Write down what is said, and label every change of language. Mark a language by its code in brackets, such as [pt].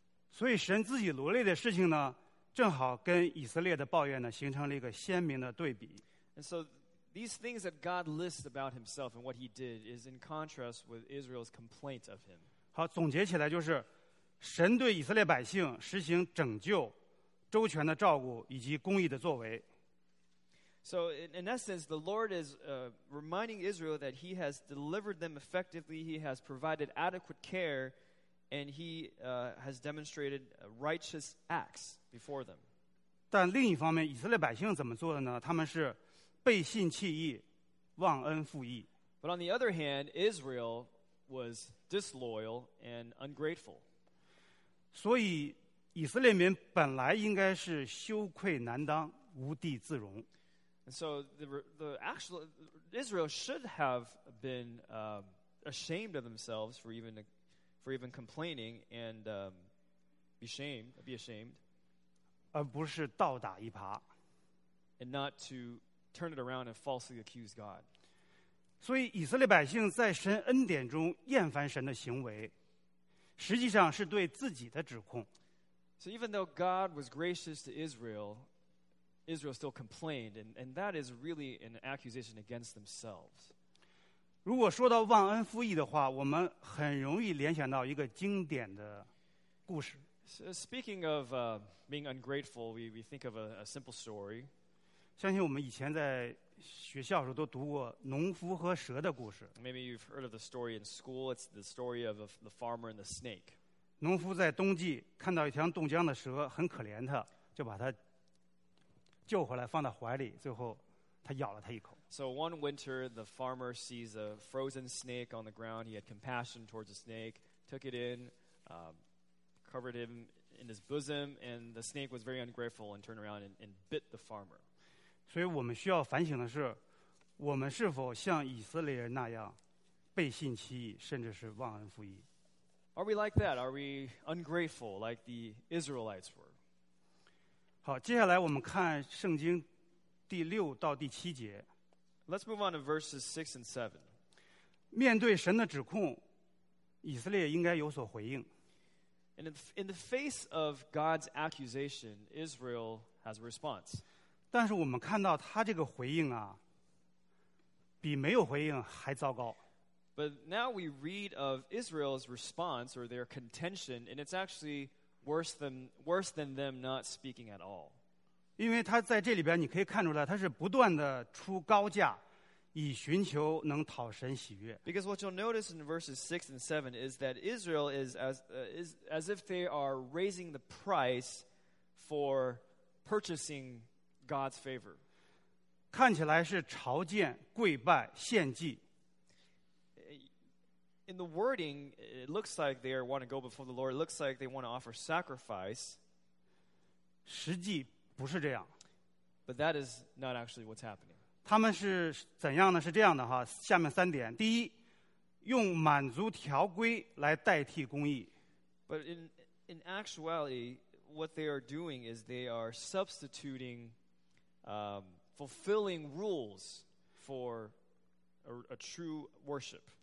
[zh] 所以神自己掳掠的事情呢，正好跟以色列的抱怨呢形成了一个鲜明的对比。 [en] And so these things that God lists about Himself and what He did is in contrast with Israel's complaint of Him. [zh] 好，总结起来就是，神对以色列百姓实行拯救、周全的照顾以及公义的作为。 [en] So in essence, the Lord is reminding Israel that He has delivered them effectively, He has provided adequate care, and He has demonstrated righteous acts before them. [zh] 但另一方面，以色列百姓怎么做的呢？他们是背信弃义，忘恩负义。 [en] But on the other hand, Israel was disloyal and ungrateful. [zh] 所以以色列民本来应该是羞愧难当，无地自容。 [en] And so the actual Israel should have been ashamed of themselves for even complaining and be ashamed, [zh] 而不是倒打一耙 [en] and not to turn it around and falsely accuse God. [zh] 所以以色列百姓在神恩典中厌烦神的行为，实际上是对自己的指控。 [en] So even though God was gracious to Israel, Israel still complained, and that is really an accusation against themselves. [zh] 如果说到忘恩负义的话，我们很容易联想到一个经典的故事。 [en] So speaking of being ungrateful, we think of a simple story. [zh] 相信我们以前在学校时候都读过农夫和蛇的故事。 [en] Maybe you've heard of the story in school. It's the story of the farmer and the snake. [zh] 农夫在冬季看到一条冻僵的蛇，很可怜它，就把它救回来放在怀里，最后他咬了他一口。 [en] So one winter, the farmer sees a frozen snake on the ground. He had compassion towards the snake, took it in, covered him in his bosom, and the snake was very ungrateful and turned around and bit the farmer. [zh] 所以我们需要反省的是，我们是否像以色列人那样背信弃义，甚至是忘恩负义？ [en] Are we like that? Are we ungrateful like the Israelites were? [zh] 好，接下来我们看圣经第六到第七节。 [en] Let's move on to verses 6 and 7. [zh] 面对神的指控，以色列应该有所回应。 [en] And in the face of God's accusation, Israel has a response. [zh] 但是我们看到他这个回应啊，比没有回应还糟糕。 [en] But now we read of Israel's response or their contention, and it's actually worse than them not speaking at all. [zh] 因为他在这里边你可以看出来他是不断的出高价以寻求能讨神喜悦。 [en] Because what you'll notice in verses 6 and 7 is that Israel is as if they are raising the price for purchasing God's favor. [zh] 看起来是朝见、跪拜、献祭。 [en] In the wording, it looks like they want to go before the Lord. It looks like they want to offer sacrifice. [zh] 实际不是这样。 [en] But that is not actually what's happening. [zh] 他们是怎样呢？是这样的哈。下面三点：第一，用满足条规来代替公义。 [en] But in actuality, what they are doing is they are substituting, fulfilling rules for a true worship.